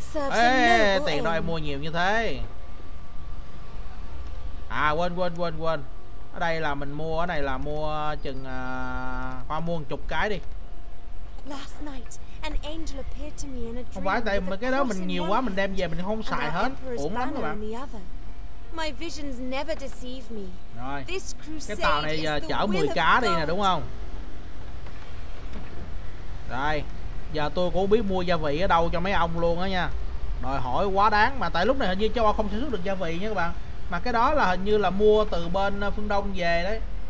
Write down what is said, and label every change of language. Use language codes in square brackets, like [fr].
[vi] Ê, tiền đâu em mua nhiều như thế. À quên. Ở đây là mình mua, ở này là mua chừng hoa mua 1 chục cái đi. [en] Last night, an angel appeared to me in a dream. [vi] Không phải, tại cái đó mình nhiều quá, mình đem về mình không xài hết, uổng lắm các bạn. [en] My visions never deceive me. [vi] Rồi. [en] This crusade, [vi] cái tàu này giờ chở 10 cá đi nè, đúng không? Đây, giờ tôi cũng biết mua gia vị ở đâu cho mấy ông luôn á nha. Đòi hỏi quá đáng mà, tại lúc này hình như châu Âu không sản xuất được gia vị nha các bạn. Mà cái đó là hình như là mua từ bên phương Đông về đấy.